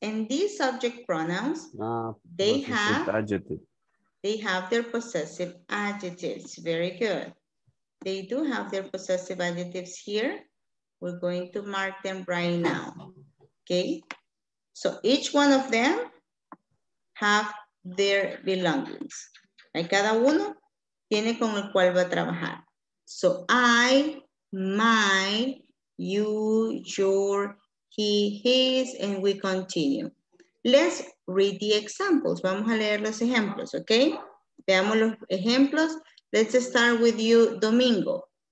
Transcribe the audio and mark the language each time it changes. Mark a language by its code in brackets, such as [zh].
[en] And these subject pronouns, they have their possessive adjectives. Very good. They do have their possessive adjectives here. We're going to mark them right now. Okay. So each one of them have their belongings. [es] Y cada uno tiene con el cual va a trabajar. [en] So I, my, you, your, he, his, and we continue. Let's read the examples. [es] Vamos a leer los ejemplos, [en] okay? [es] Veamos los ejemplos. [en] Let's start with you, Domingo.